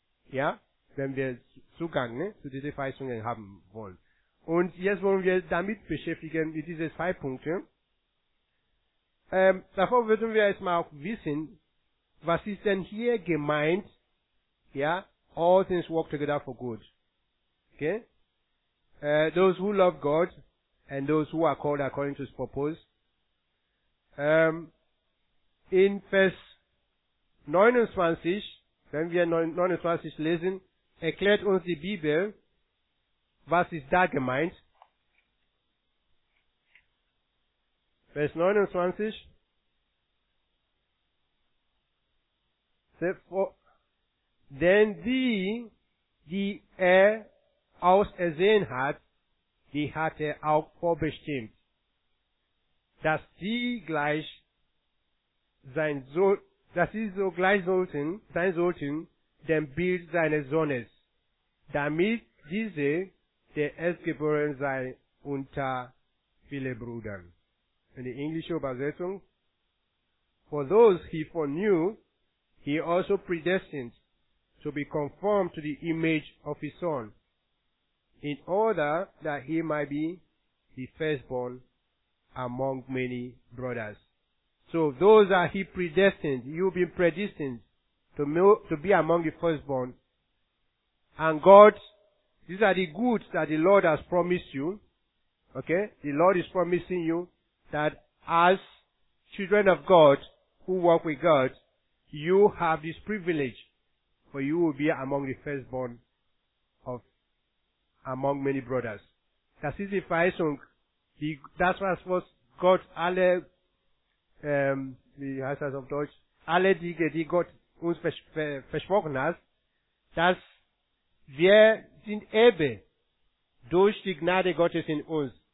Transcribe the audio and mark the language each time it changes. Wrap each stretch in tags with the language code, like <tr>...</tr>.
<de>ja, wenn wir Zugang, ne, zu diesen Verheißungen haben wollen. Und jetzt wollen wir damit beschäftigen, mit diesen zwei Punkten. Davor würden wir erstmal auch wissen, was ist denn hier gemeint, ja,</de> <en>all things work together for good.</en> <de>Okay?</de> <en>Those who love God and those who are called according to his purpose.</en> <de>In Vers 29, wenn wir 29 lesen, erklärt uns die Bibel, was ist da gemeint. Vers 29. Denn die, die er ausersehen hat, die hat er auch vorbestimmt, dass sie gleich sein Sohn, dass sie so gleich sollten, sein sollten, dem Bild seines Sohnes, damit diese der Erstgeborene sei unter viele Brüdern. In der englischen Übersetzung,</de> <en>for those he foreknew, he also predestined to be conformed to the image of his son, in order that he might be the firstborn among many brothers. So those are he predestined, you've been predestined to be among the firstborn. And God, these are the goods that the Lord has promised you, okay? The Lord is promising you that as children of God who walk with God, you have this privilege, for you will be among the firstborn of among many brothers.</en> <de>Das ist die Verheißung. Das was Gott alle, wie heißt das auf Deutsch? Alle Dinge, die Gott uns versprochen hat, dass wir sind Erbe durch die Gnade Gottes in uns.</de>